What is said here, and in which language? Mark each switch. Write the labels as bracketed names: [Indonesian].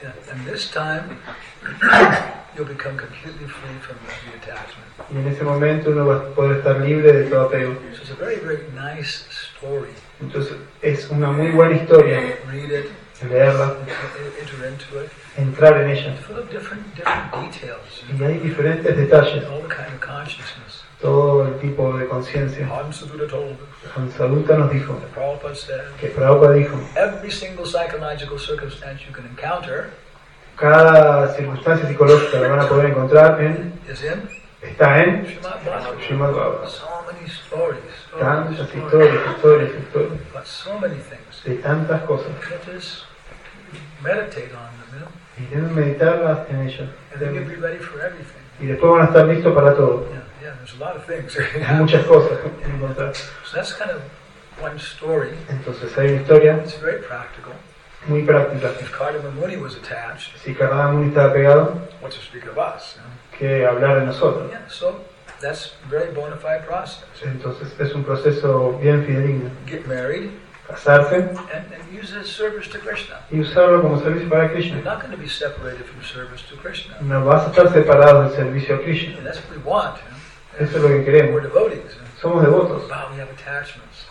[English] And this time, you'll become completely free from the attachment. [Spanish] Y en ese momento uno va a poder estar libre de todo apego. [English] So it's a very, very nice story. [Spanish] Entonces es una muy buena historia. [English] Read it. [Spanish] Leerla. [English] Enter into it. [Spanish] Entrar en ella. [English] Full of different details. [Spanish] Y hay diferentes detalles. [English] All kind of consciousness. [Spanish] Todo el tipo de conciencia. Hansaluta nos dijo. [English] The Prabhupada said, [Spanish] que Prabhupada dijo. [English] Every single psychological circumstance you can encounter. [Spanish] Cada circunstancia psicológica la van a poder encontrar en. [English] Is in. [Spanish] Está en. [English] Shrimad Bhagavatam. So many stories. [Spanish] Tantas historias. [English] But so many things. [Spanish] De tantas cosas. [English] Let us meditate on them. You know? [Spanish] Y deben meditarlas en ellas. [English] And then you'll be ready for everything. [Spanish] Y después van a estar listos para todo. [English] Yeah. Yeah, there's a lot of things. [Spanish] Muchas cosas que encontrar. [English] So that's kind of one story. [Spanish] Entonces hay una historia. [English] It's very practical. [Spanish] Muy práctica. [English] If Kardamamuni was attached. [Spanish] Si Kardamamuni estaba pegado. [English] What to speak of us? You know? [Spanish] Que hablar de nosotros. [English] Yeah, so that's very bona fide process. [Spanish] Entonces es un proceso bien fidedigno. [English] Get married. [Spanish] casarse [English] and use it as service to Krishna. [Spanish] Y usarlo como servicio para Krishna. [English] You're not going to be separated from service to Krishna. [Spanish] No vas a estar separado del servicio a Krishna. [English] And that's what we want. [Spanish] Eso es lo que queremos. [English] We're devotees. [Spanish] Somos devotos. [English] But we have attachments.